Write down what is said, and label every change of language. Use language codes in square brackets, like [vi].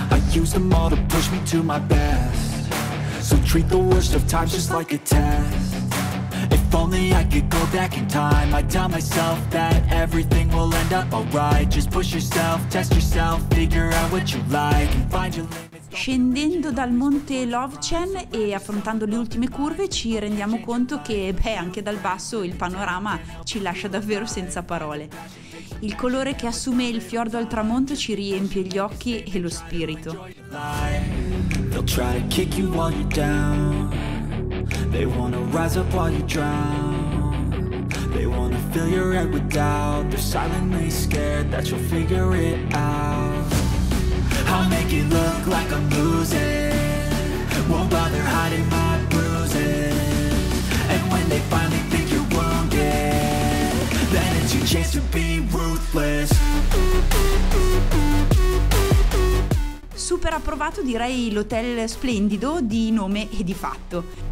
[en] Use them all to push me to my best. So treat the worst of times just like a test. If only I could go back in time, I'd tell myself that everything will end up alright. Just push yourself, test yourself, figure out what you like and find your limits. [it] Scendendo dal monte Lovchen e affrontando le ultime curve ci rendiamo conto che, beh, anche dal basso il panorama ci lascia davvero senza parole. Il colore che assume il fiordo al tramonto ci riempie gli occhi e lo spirito. [en] They'll try to kick you while you're down. They wanna rise up while you drown. They wanna fill your head with doubt. They're silently scared that you'll figure it out. I'll make it look like I'm losing. Won't bother hiding my bruises. And when they finally think you're wounded, then it's your chance to be ruthless. [it] Super approvato direi l'hotel splendido di nome e di fatto.